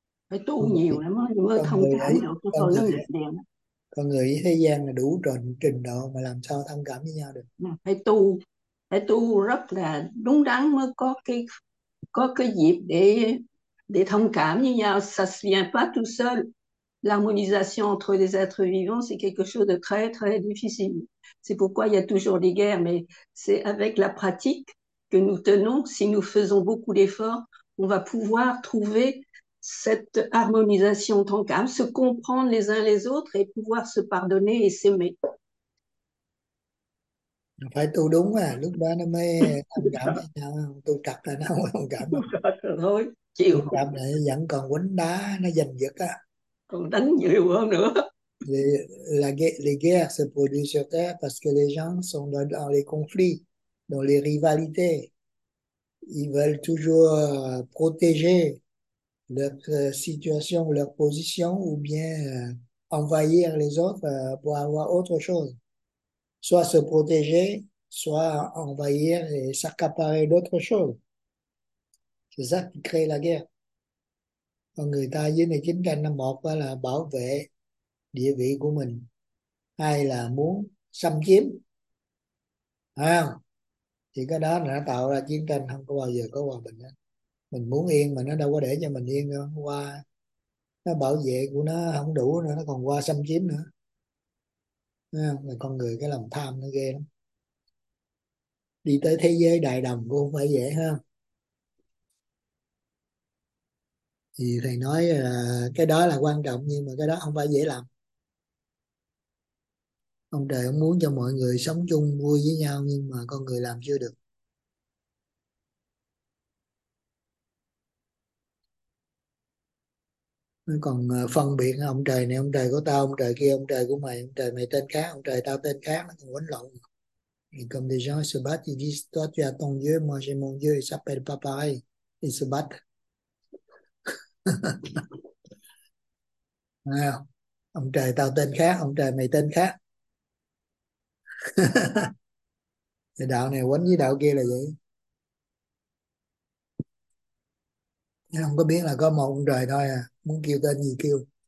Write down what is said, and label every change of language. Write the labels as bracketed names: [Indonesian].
[Vietnamese] phải tu nhiều lắm mới thông cảm được cho tôi nó nghịch liền Con người ở thế gian là đủ tròn trình độ mà làm sao thông cảm với nhau được? đó. Phải tu rất là đúng đắn mới có cái dịp để thông cảm với nhau. [French] Ça se vient pas tout seul, l'harmonisation entre les êtres vivants c'est quelque chose de très très difficile, c'est pourquoi il y a toujours des guerres, mais c'est avec la pratique que nous tenons, si nous faisons beaucoup d'efforts, on va pouvoir trouver cette harmonisation en tant qu'âme, se comprendre les uns les autres et pouvoir se pardonner et s'aimer. [Vietnamese] phải tu đúng à, lúc đó nó mới Đúng thông cảm với nhau, tu trật là nó không thông cảm rồi, đâu, thôi chịu tu trật lại vẫn còn quánh đá nó giành giật á. còn đánh nhiều hơn nữa. [French] Les guerres se produisent sur terre parce que les gens sont dans les conflits, dans les rivalités. Ils veulent toujours protéger leur situation, leur position, ou bien envahir les autres pour avoir autre chose. Soit se protéger, soit envahir et s'accaparer d'autres choses. C'est ça qui crée la guerre. [Vietnamese] Còn người ta dưới này chiến tranh, là một là bảo vệ địa vị của mình, hay là muốn xâm chiếm, à, thì cái đó đã tạo ra chiến tranh, không có bao giờ có hòa bình hết. Mình muốn yên mà nó đâu có để cho mình yên đâu, qua nó bảo vệ của nó không đủ nữa, nó còn qua xâm chiếm nữa. À, con người cái lòng tham nó ghê lắm, đi tới thế giới đại đồng cũng không phải dễ ha. Thì thầy nói là cái đó là quan trọng, nhưng mà cái đó không phải dễ làm. Ông trời ông muốn cho mọi người sống chung vui với nhau, nhưng mà con người làm chưa được. Nó còn phân biệt ông trời này, ông trời của tao, ông trời kia, ông trời của mày, ông trời mày tên khác, ông trời tao tên khác, nó còn quấn lộn. [French] Comme des gens se battent, ils disent, toi tu as ton Dieu, moi j'ai mon Dieu, ils s'appellent pas pareil, ils se battent. [Vietnamese] Nào, ông trời tao tên khác, ông trời mày tên khác. Thì đạo này quấn với đạo kia là vậy, không có biết là có một ông trời thôi à, muốn kêu tên gì kêu.